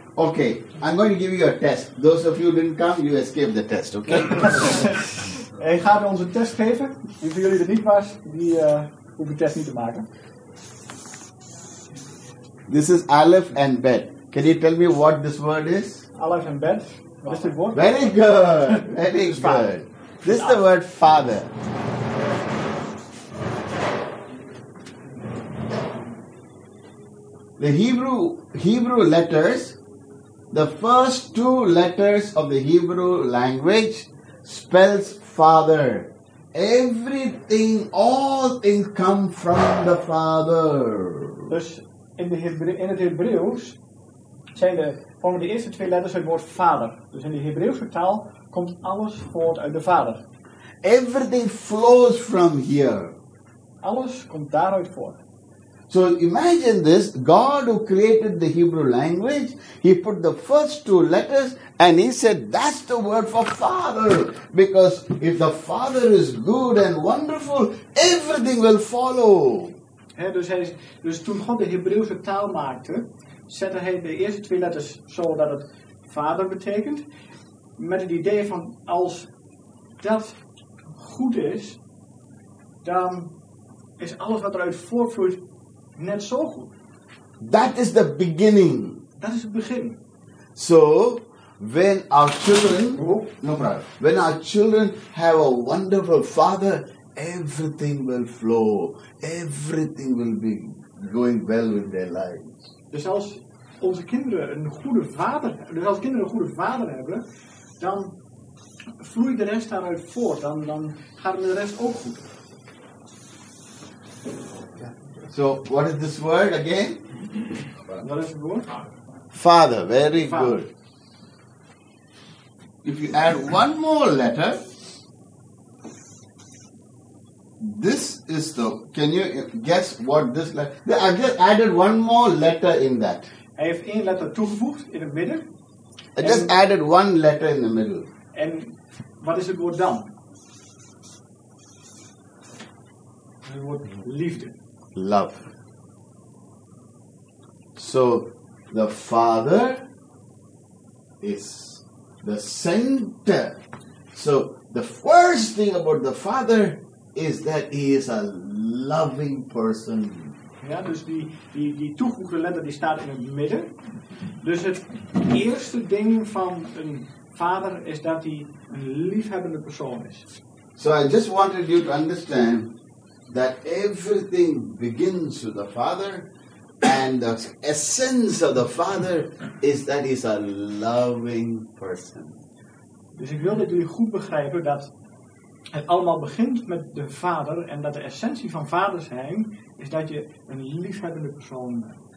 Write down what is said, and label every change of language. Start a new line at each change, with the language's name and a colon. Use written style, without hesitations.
English: Okay, I'm going to give you a test. Those of you who didn't come, you escaped the test, okay?
Dutch: Ik ga ons een test geven. En voor jullie er niet was, die hoef ik test niet te maken.
English: This is Aleph and Bet. Can you tell me what this word is?
Dutch: Aleph and Bet. Wat is dit woord?
English: Very good. Very good. This is the word father. The Hebrew letters, the first two letters of the Hebrew language spells father. Everything, all things come from the father.
Dutch: Dus in het Hebreeuws vormen de eerste twee letters het woord vader. Dus in de Hebreeuwse taal komt alles voort uit de vader.
English: Everything flows from here.
Dutch: Alles komt daaruit voort.
English: So imagine this, God who created the Hebrew language, he put the first two letters and he said, that's the word for father. Because if the father is good and wonderful, everything will follow.
Dutch: He, dus toen God de Hebreeuwse taal maakte, zette hij de eerste twee letters zo dat het vader betekent. Met het idee van als dat goed is, dan is alles wat eruit voortvloeit net zo goed.
English: That is the beginning.
Dutch: Dat is het begin.
English: So, when our children, when our children have a wonderful father, everything will flow. Everything will be going well with their lives.
Dutch: Dus als onze kinderen een goede vader, dus als kinderen een goede vader hebben, dan vloeit de rest daaruit voort. Dan gaat de rest ook goed.
English: So, what is this word again? What is the word? Father, very father. Good. If you add one more letter, this is the, can you guess what this letter, I've just added one more letter in that.
Dutch: Hij heeft één letter toegevoegd in het midden.
English: I just added one letter in the middle. And what is the word dan? The word liefde. Love. So, the Father is the center. So, the first thing about the Father is that He is a loving person.
Dutch: Ja, dus die toegevoegde letter die staat in het midden. Dus het eerste ding van een vader is dat hij een liefhebbende persoon is.
English: So I just wanted you to understand that everything begins with the Father, and the essence of the Father is that he's a loving person.
Dutch: Dus ik wil dat jullie goed begrijpen dat het allemaal begint met de Vader en dat de essentie van vader zijn is dat je een liefhebbende persoon bent.